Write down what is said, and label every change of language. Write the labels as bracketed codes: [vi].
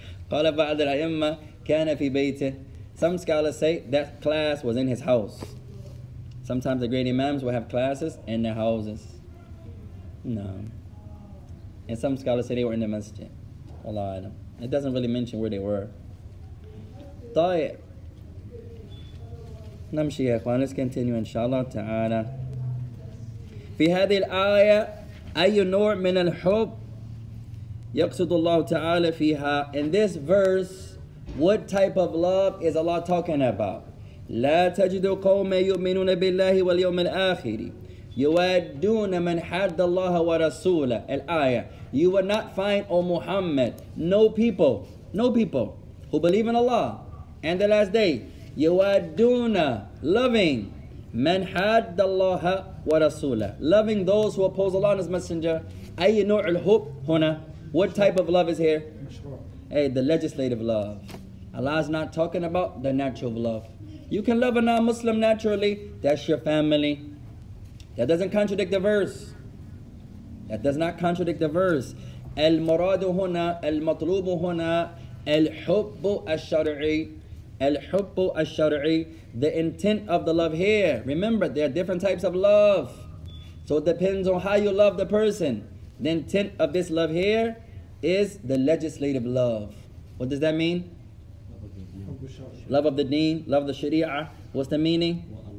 [ar] قال بعض الأئمة كان في بيته. [en] Some scholars say that class was in his house. Sometimes the great imams will have classes in their houses. No. And some scholars say they were in the masjid. Allah alam. It doesn't really mention where they were. [ar] طيب. نمشي يا إخوان. [en] Let's continue inshallah ta'ala. [ar] في هذه الآية أي نوع من الحب يقصد الله تعالى فيها. [en] In this verse, what type of love is Allah talking about? [ar] لا تجد قوم يؤمنون بالله واليوم الآخر يوادون من حد الله ورسوله. الآية. [en] You will not find, O Muhammad, no people who believe in Allah and the last day. [ar] يوادون loving من حد الله ورسوله. [en] Loving those who oppose Allah and His Messenger. [ar] أي نوع الحب هنا. [en] What type of love is here? Hey, the legislative love. Allah is not talking about the natural love. You can love a non-Muslim naturally. That's your family. That doesn't contradict the verse. That does not contradict the verse. [ar] المراد هنا المطلوب هنا الحب الشرعي. الحب الشرعي. [en] The intent of the love here. Remember, there are different types of love. So it depends on how you love the person. The intent of this love here is the legislative love. What does that mean? Love of the deen, love of the sharia. What's the meaning?